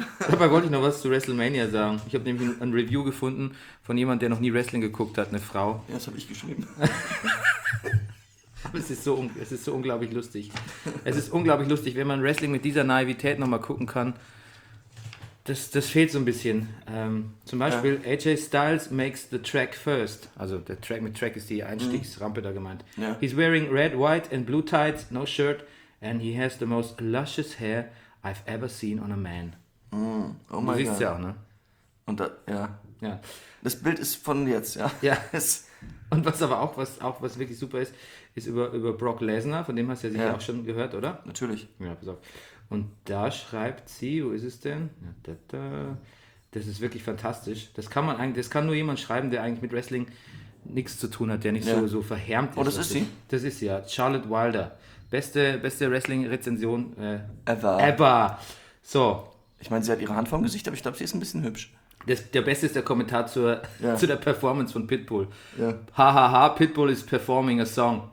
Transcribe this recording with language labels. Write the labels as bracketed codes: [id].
[de] Dabei wollte ich noch was zu WrestleMania sagen. Ich habe nämlich ein Review gefunden von jemand, der noch nie Wrestling geguckt hat. Eine Frau. Ja, das habe ich geschrieben. Es ist so unglaublich lustig. Es ist unglaublich lustig, wenn man Wrestling mit dieser Naivität nochmal gucken kann. Das fehlt so ein bisschen. Zum Beispiel ja. [en] AJ Styles makes the track first. [de] Also der Track mit Track ist die Einstiegsrampe da gemeint. Ja. [en] He's wearing red, white and blue tights, no shirt. And he has the most luscious hair I've ever seen on a man. Mm. Oh my God. [de] Du siehst ja auch, ne? Und da, ja. Ja. Das Bild ist von jetzt, ja. Ja. Und was wirklich super ist, ist über Brock Lesnar, von dem hast du ja sicher auch schon gehört, oder? Natürlich. Ja, pass auf. Und da schreibt sie, wo ist es denn? Ja, das ist wirklich fantastisch. Das kann nur jemand schreiben, der eigentlich mit Wrestling nichts zu tun hat, der nicht so verhärmt ist. Oh, das ist sie? Das ist sie, ja. Charlotte Wilder. Beste Wrestling-Rezension [en] ever. Ever. So. [de] Ich meine, sie hat ihre Hand vorm Gesicht, aber ich glaube, sie ist ein bisschen hübsch. Der Beste ist der Kommentar zu der Performance von Pitbull. Ja. [en] Ha, ha, ha, Pitbull is performing a song.